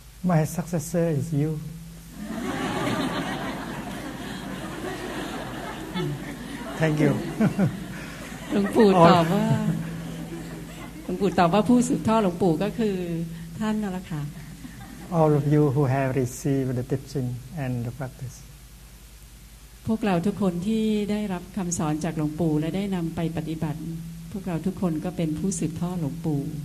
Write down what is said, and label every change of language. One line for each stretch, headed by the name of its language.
English: My successor is you. Thank you.
Thai: หลวงปู่ตอบว่าหลวงปู่ตอบว่าผู้สืบทอดหลวงปู่ก็คือท่านนั่นแหละค่ะ
English: All of you who have received the teaching and the practice
Thai: พวกเราทุกคนที่ได้รับคำสอนจากหลวงปู่และได้นำไปปฏิบัติพวกเราทุกคนก็เป็นผู้สืบทอดหลวงปู